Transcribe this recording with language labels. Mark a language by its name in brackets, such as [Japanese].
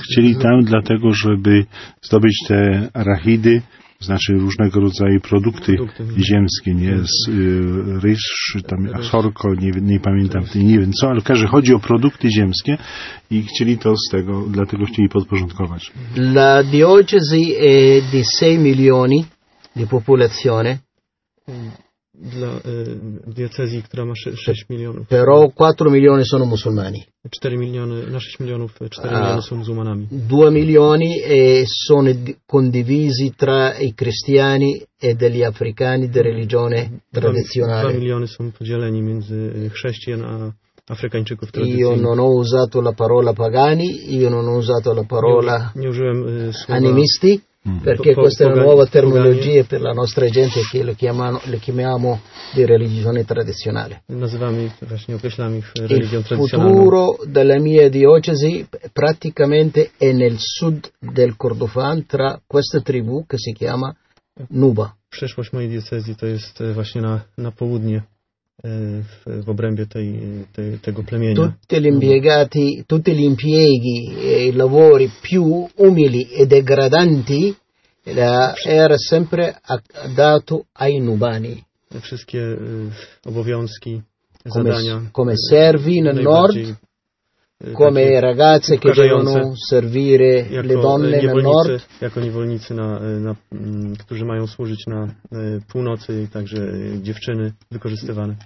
[Polish] chcieli tam dlatego, żeby zdobyć te arachidy, znaczy różnego rodzaju produkty ziemskie, nie? Ryż, tam sorgo, nie pamiętam, nie wiem co, ale każdy chodzi o produkty ziemskie i chcieli to z tego, dlatego chcieli podporządkować. [Italian] La diocesi è di 6 milioni di popolazione. [Polish] Dla diocezji, która ma 6 milionów. [Italian] Però 4 milioni sono musulmani. [Polish] 4 miliony, na 6 milionów 4 miliony są muzułmanami. [Italian] 2 milioni sono condivisi tra i cristiani e degli africani di religione tradizionale. [Polish] 2 miliony są podzieleni między chrześcijan a afrykańczyków tradycyjnych. [Italian] Io non ho usato la parola pagani, io non ho usato la parola animisti. Perché questa è una nuova terminologia per la nostra gente che le chiamiamo di religione tradizionale. Il futuro della mia diocesi praticamente è nel sud del Kordofan tra questa tribù che si chiama Nuba. [Polish] Przyszłość mojej diocezji to jest właśnie na południe w obrębie tego plemienia. [Italian] Tutti gli impieghi e i lavori più umili e degradanti era sempre dato ai Nubani. [Polish] Wszystkie obowiązki, zadania. [Italian] Come servi nel nord, come ragazze che devono servire le donne nel nord. [Polish] Jako niewolnicy, którzy mają służyć na północy, także dziewczyny wykorzystywane.